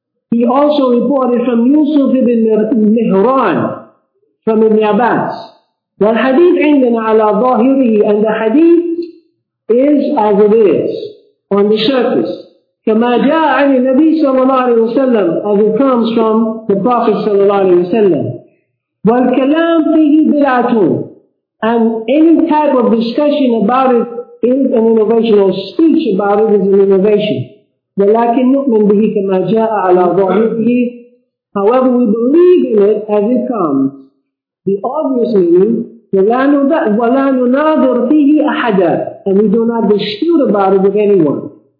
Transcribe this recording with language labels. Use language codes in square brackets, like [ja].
[en] He also reported from يوسف بن مهران, from ابن عباس. [ar] والحديث عندنا على ظاهره, [en] and the hadith is as it is, on the surface. [ar] كما جاء عن النبي صلى الله عليه وسلم, [en] as it comes from the Prophet [ar] صلى الله عليه وسلم. والكلام فيه بدعة, [en] and any type of discussion about it is an innovation, or speech about it is an innovation. [ar] ولكن نؤمن به كما جاء على ظاهره. [en] However, we believe in it as it comes. The obvious meaning, [ar] ولا نناظر فيه أحدا, [en] and we do not dispute about it with anyone.